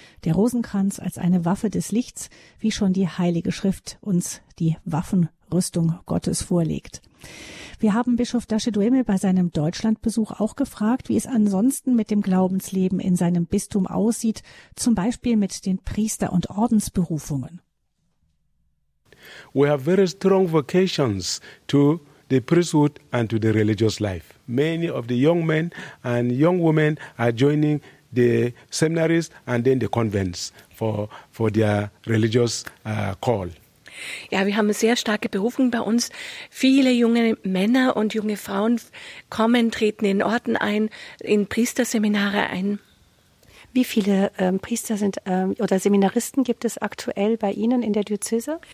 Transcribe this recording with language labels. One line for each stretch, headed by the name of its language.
German: Der Rosenkranz als eine Waffe des Lichts, wie schon die Heilige Schrift uns die Waffenrüstung Gottes vorlegt. Wir haben Bischof Dasche-Dueme bei seinem Deutschlandbesuch auch gefragt, wie es ansonsten mit dem Glaubensleben in seinem Bistum aussieht, zum Beispiel mit den Priester- und Ordensberufungen.
English: We have very strong vocations to the priesthood and to the religious life. Many of the young men and young women are joining the seminaries and then the convents for their religious call.
German: Ja, wir haben sehr starke Berufungen bei uns. Viele junge Männer und junge Frauen kommen, treten in Orden ein, in Priesterseminare ein. Wie viele Priester sind oder Seminaristen gibt es aktuell bei Ihnen in der Diözese?